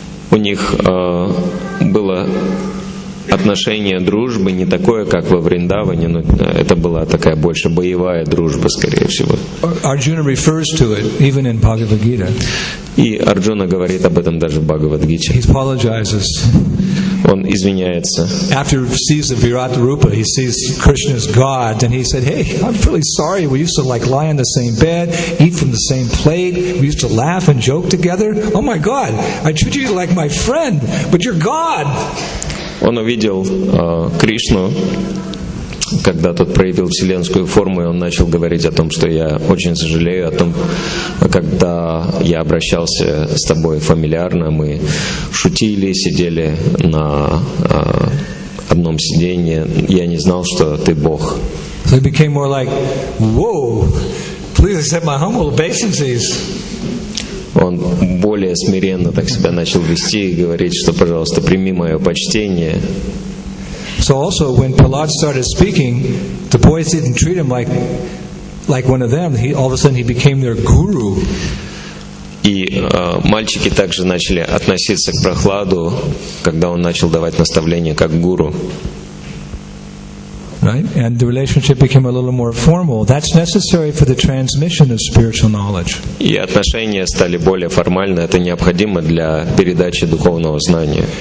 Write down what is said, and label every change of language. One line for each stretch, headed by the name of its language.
Russian: У них было отношение дружбы, не такое, как во Вриндаване, но это была такая больше боевая дружба, скорее всего.
English: Arjuna refers to it, even in Bhagavad Gita.
Russian: И Арджуна говорит об этом даже в Бхагавад-гите.
English: He apologizes.
Russian: Он извиняется.
English: After he sees the Virat Rupa, he sees Krishna's God, and he said, "Hey, I'm really sorry. We used to like lie on the same bed, eat from the same plate. We used to laugh and joke together. Oh my God, I treat you like my friend, but you're God."
Russian: Он увидел Кришну, когда тот проявил вселенскую форму, и он начал говорить о том, что я очень сожалею о том, когда я обращался с тобой фамильярно, мы шутили, сидели на одном сиденье, я не знал, что ты Бог.
English: So it became more like, whoa, please accept my humble obeisances.
Russian: Он более смиренно так себя начал вести и говорить, что, пожалуйста, прими мое почтение.
English: So also, when Prahlad started speaking, the boys didn't treat him like one of them. All of a sudden, he became their guru.
Russian: И мальчики также начали относиться к Прохладу, когда он начал давать наставления как гуру.
English: Right? And the relationship became a little more formal. That's necessary for the transmission of spiritual knowledge.
Russian: И отношения стали более формальны. Это необходимо для передачи духовного знания.